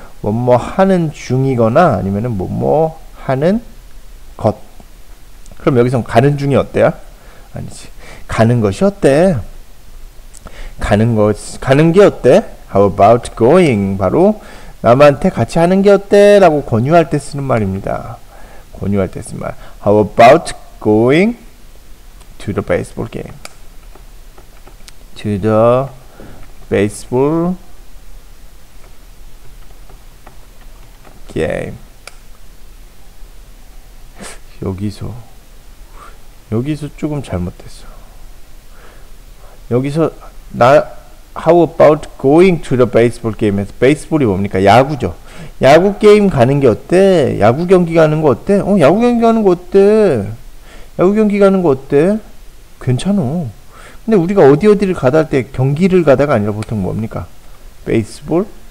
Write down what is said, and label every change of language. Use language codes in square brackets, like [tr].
[ko] 뭐뭐 하는 중이거나 아니면 뭐뭐 하는 것. 그럼 여기서 가는 중이 어때요? 아니지. 가는 것이 어때? 가는 것, 가는 게 어때? [en] How about going? [ko] 바로 남한테 같이 하는 게 어때? 라고 권유할 때 쓰는 말입니다. 권유할 때 쓰는 말. [en] How about going to the baseball game? To the baseball game. [ko] 여기서 조금 잘못됐어. 여기서 나 [en] How about going to the baseball game? [ko] 에서 베이스볼이 뭡니까? 야구죠. 야구 게임 가는 게 어때? 야구 경기 가는 거 어때? 야구 경기 가는 거 어때? 야구 경기 가는 거 어때? 괜찮어. 근데 우리가 어디 어디를 가다 할 때 경기를 가다가 아니라 보통 뭡니까? 베이스볼?